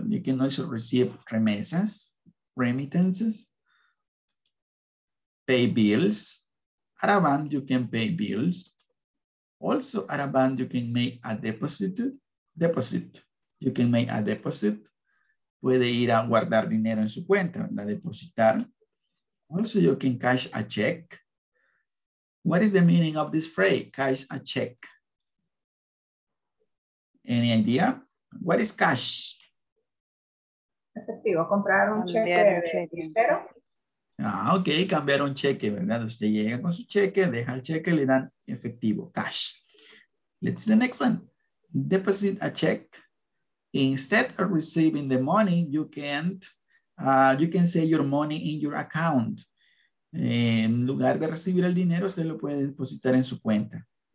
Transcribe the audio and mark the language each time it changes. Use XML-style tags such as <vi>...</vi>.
<en>You can also receive remesas. Remittances. Pay bills. At a bank, you can pay bills. Also, at a bank, you can make a deposit. You can make a deposit.</en> <es>puede ir a guardar dinero en su cuenta, a depositar.</es> <en>Also, you can cash a check. What is the meaning of this phrase, cash a check? Any idea? What is cash?</en> <es>Efectivo, comprar un cheque. Ah, okay, cambiar un cheque, ¿verdad? Usted llega con su cheque, deja el cheque, le dan efectivo, cash.</es> <en>Let's see the next one. Deposit a check. Instead of receiving the money, you can say your money in your account.</en> <es>En lugar de recibir el dinero, usted lo puede depositar en su cuenta.</es>